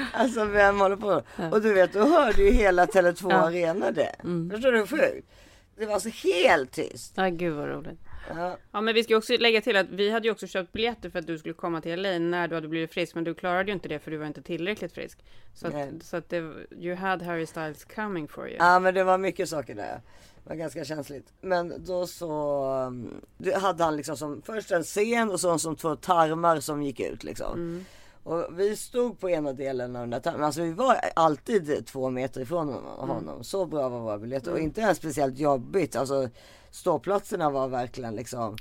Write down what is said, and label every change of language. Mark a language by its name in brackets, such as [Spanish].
[Swedish] Alltså, vem håller på? Och du vet, du hörde ju hela Tele 2 Arena det. Mm. Förstår du hur sjukt? Det var så helt tyst. Ja, gud vad roligt. Ja. Ja, men vi ska också lägga till att vi hade ju också köpt biljetter för att du skulle komma till LA när du hade blivit frisk, men du klarade ju inte det för du var inte tillräckligt frisk. Så att det, [English] you had Harry Styles coming for you. [Swedish] Ja, men det var mycket saker där. Det var ganska känsligt. Men då så hade han liksom som först en scen och så som två tarmar som gick ut liksom. Mm. Och vi stod på ena delen av den där tarmen. Alltså vi var alltid 2 meter ifrån honom. Mm. Så bra var våra biljetter. Mm. Och inte ens speciellt jobbigt. Alltså ståplatserna var verkligen liksom...